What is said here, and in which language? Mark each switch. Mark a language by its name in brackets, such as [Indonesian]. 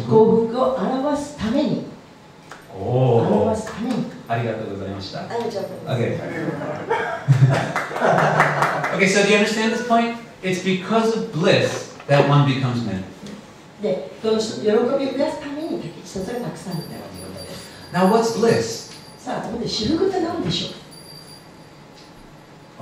[Japanese] 無常の幸福を表すために。おお。表すために。ありがとうございました。ありがとうございます。 [English] Okay. Okay, so do you understand this point? It's because of bliss that one becomes man. [Japanese] で、その喜びを増やすために、一つがたくさんになるということです。 [English] Now, what's bliss? [Japanese] さあ、で、至福って何でしょう